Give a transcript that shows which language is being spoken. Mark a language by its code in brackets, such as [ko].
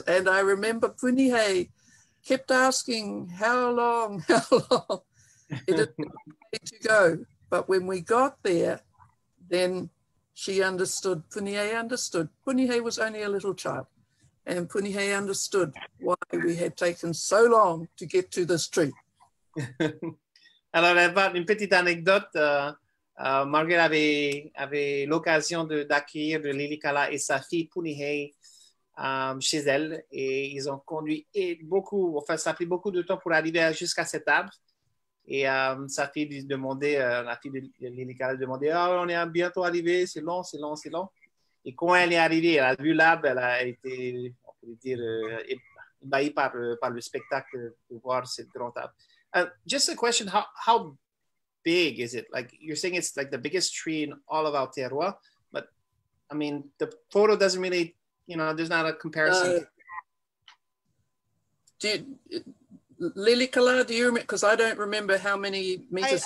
[en] And I remember Punihei kept asking how long it is to go. But when we got there, then she understood, Punihei understood. Punihei was only a little child, and Punihei understood why we had taken so long to get to this tree. [fr] Alors, une petite anecdote, Marguerite avait l'occasion d'accueillir de Lilikalā et sa fille Punihei chez elle, et ils ont conduit beaucoup, enfin, ça a pris beaucoup de temps pour arriver jusqu'à cet arbre. Et sa fille lui demandait, la fille de Lilikalā lui demandait, oh, on est bientôt arrivé, c'est long. Et quand elle est arrivée, elle a vu l'arbre, elle a été, on peut dire, ébahie par le spectacle de voir cette grande arbre. [en] Just a question, how big is it? Like, you're saying it's like the biggest tree in all of Aotearoa, but I mean, the photo doesn't really, you know, there's not a comparison. Lilikalā, do you remember? Because I don't remember how many meters.